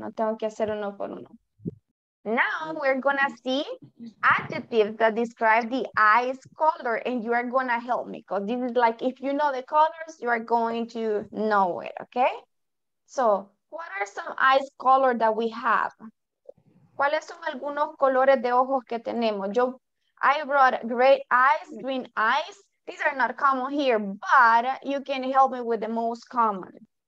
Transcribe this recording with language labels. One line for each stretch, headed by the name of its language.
Spanish: No tengo que hacer uno por uno.
English: Now we're gonna see adjectives that describe the eye's color, and you are gonna help me because this is like if you know the colors, you are going to know it, okay? So, what are some eyes color that we have?
Spanish: ¿Cuáles son algunos colores de ojos que tenemos?
English: Yo, I brought gray eyes, green eyes. These are not common here, but you can help me with the most common.